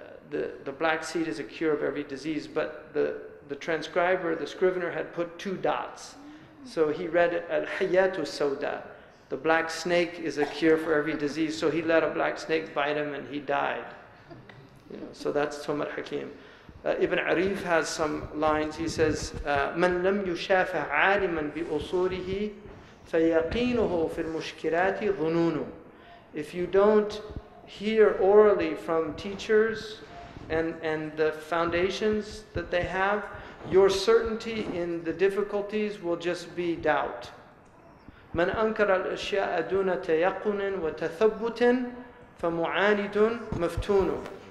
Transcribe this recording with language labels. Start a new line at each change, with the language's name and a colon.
English: The black seed is a cure of every disease, but the transcriber, the scrivener, had put two dots. So he read Al-Hayatu Sawda, the black snake is a cure for every disease. So he let a black snake bite him and he died. You know, so that's Tumar Hakim. Ibn Arif has some lines. He says,
Arabic: مَنْ لَمْ يُشَافَ عَالِمًا بِأُصُورِهِ فَيَقِينُهُ فِي الْمُشْكِلَاتِ ظُنُونُ.
English: If you don't hear orally from teachers and the foundations that they have, your certainty in the difficulties will just be doubt.
Arabic: مَنْ أَنْكَرَ الْأَشْيَاءَ دُونَ تَيَقُنٍ وَتَثَبُّتٍ فَمُعَانِدٌ مَفْتُونٌ.